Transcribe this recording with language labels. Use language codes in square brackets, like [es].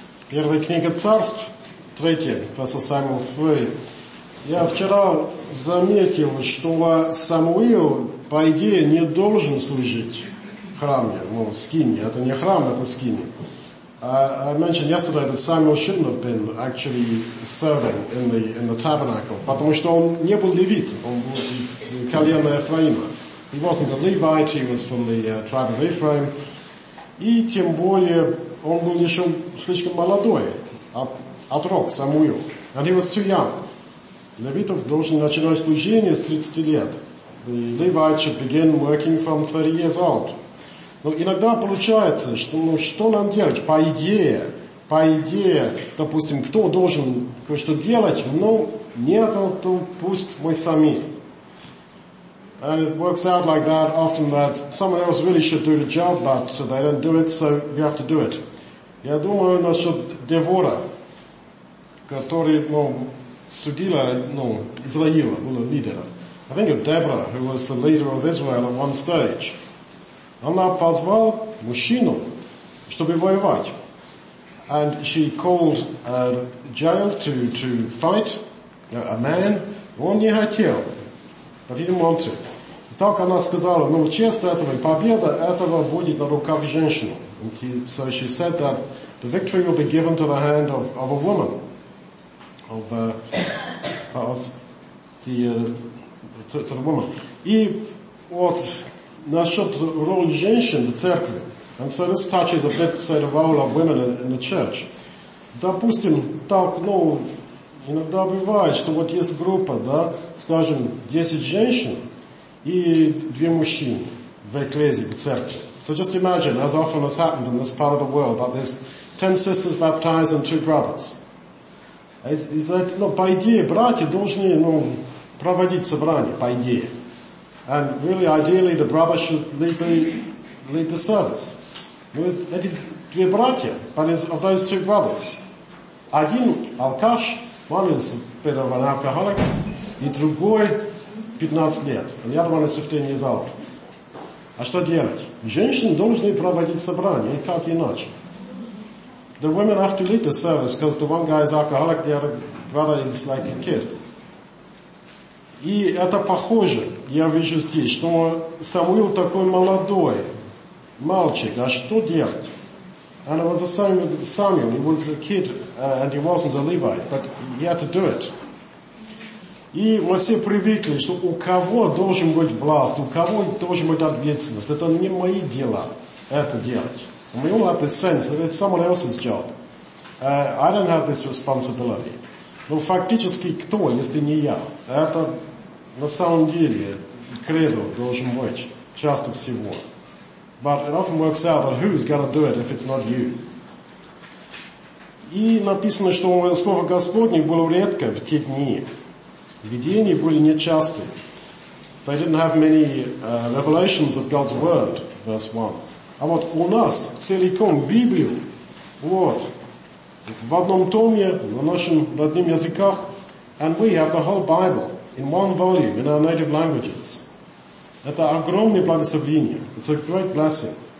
[ru] Первая книга царств, третья, послание Самуила. Я вчера заметил, что Самуил, по идее, не должен служить в храме, ну, в скине. Это не храм, это скине. [en] I mentioned yesterday that Samuel shouldn't have been actually serving in the tabernacle, [ru] потому что он не был левит, он был из колена Ефраима. [en] He wasn't a Levite, he was from the tribe of Ephraim. [ru] И тем более, он был еще слишком молодой, отрок, Самуил. [en] And he was too young. [ru] Левитов должен начинать служение с 30 лет. [en] The Levite should begin working from 30 years old. [ru] Но иногда получается, что ну, что нам делать? По идее, допустим, кто должен кое-что делать, но нет, то пусть мы сами. [en] And it works out like that often that someone else really should do the job, but they don't do it, so you have to do it. [ru] Я думаю насчет Девора, который, ну, судила, ну, Израила, была лидером. [en] I think of Deborah, who was the leader of Israel at one stage. [ru] Она позвала мужчину, чтобы воевать. [en] And she called a giant to fight, a man. [ru] Он не хотел, [en] but he didn't want to. [ru] И так она сказала, ну, честь этого и победа этого будет на руках женщины. [en] So she said that the victory will be given to the hand of a woman, to the woman. [ru] И вот насчет роли женщин в церкви. [en] And so this touches a bit, say, the role of women in the church. [ru] Допустим, так, ну, иногда бывает, что вот есть группа, да, скажем, 10 женщин и 2 мужчины в экклезии, в церкви. [en] So just imagine, as often has happened in this part of the world, that there's 10 sisters baptized and 2 brothers. Is that, [ru] ну, по идее, братья должны, ну, проводить собрание, по идее. [en] And really, ideally, the brother should lead the service. [ru] Ну, эти две братья, [en] but it's of those 2 brothers. [ru] Один алкаш, [en] one is a bit of an alcoholic, [ru] и другой 15 лет, [en] and the other one is 15 years old. [ru] А что делать? Женщины должны проводить собрание, как иначе. [en] The women have to lead the service, because the one guy is alcoholic, the other brother is like a kid. [ru] И это похоже, я вижу здесь, что Самуил такой молодой мальчик, а что делать? [en] And it was the same with Samuel, he was a kid, and he wasn't a Levite, but he had to do it. [ru] И мы все привыкли, что у кого должен быть власть, у кого должен быть ответственность. Это не мои дела, это делать. [en] And we all have this sense that it's someone else's job. I don't have this responsibility. [ru] Но фактически кто, если не я? Это на самом деле кредо должен быть часто всего. [en] But it often works out that who's going to do it if it's not you. [ru] И написано, что слово Господне было редко в те дни. Видения были нечасты. [en] They didn't have many revelations of God's word, verse 1. [ru] А вот у нас целиком Библию, вот, в одном томе, на нашем родном языке, [en] and we have the whole Bible in one volume in our native languages. [ru] Это огромное благословение. [en] It's a great blessing.